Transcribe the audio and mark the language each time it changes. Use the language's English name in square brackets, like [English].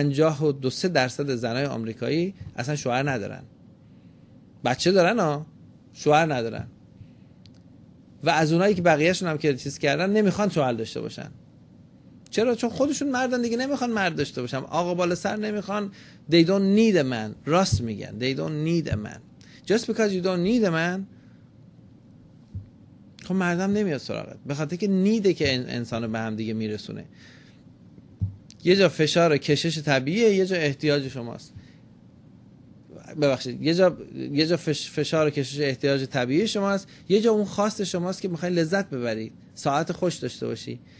[Persian] 52-53% زنای آمریکایی اصلا شوهر ندارن. بچه دارن ها، شوهر ندارن. و از اونایی که بقیه‌شون هم که چیز کردن نمیخوان شوهر داشته باشن. چرا؟ چون خودشون مردن دیگه، نمیخوان مرد داشته باشن. آقا بالا سر نمیخوان. [English] They don't need a man. [Persian] راست میگن. [English] They don't need a man. Just because you don't need a man، [Persian] خب مردم نمیاد سراغت. به خاطر که نیده که انسانو به هم دیگه میرسونه. یه جا فشار و کشش طبیعیه، یه جا احتیاج شماست. ببخشید، یه جا فشار و کشش احتیاج طبیعی شماست، یه جا اون خواست شماست که میخواین لذت ببرید، ساعت خوش داشته باشی.